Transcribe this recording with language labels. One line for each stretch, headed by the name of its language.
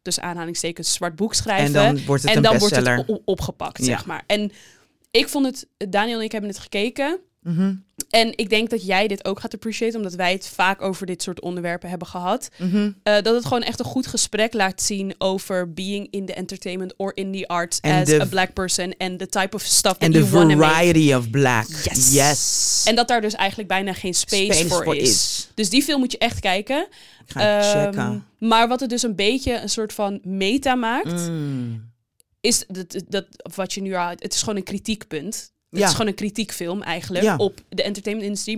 Dutch: dus aanhalingstekens zwart boek schrijven. En dan wordt het wordt het opgepakt, zeg maar. En ik vond het... Daniel en ik hebben het gekeken. Mm-hmm. En ik denk dat jij dit ook gaat appreciëren... omdat wij het vaak over dit soort onderwerpen hebben gehad. Mm-hmm. Dat het gewoon echt een goed gesprek laat zien...
English: over being in the entertainment or in the arts... And as a black person and the type of stuff and that you want to make. And the variety of black. Yes.
Dutch: En dat daar dus eigenlijk bijna geen space voor is. Dus die film moet je echt kijken. Ik ga checken. Maar wat het dus een beetje een soort van meta maakt... is dat wat je nu houdt. Het is gewoon een kritiekpunt... Het is gewoon een kritiekfilm eigenlijk op de entertainment industrie.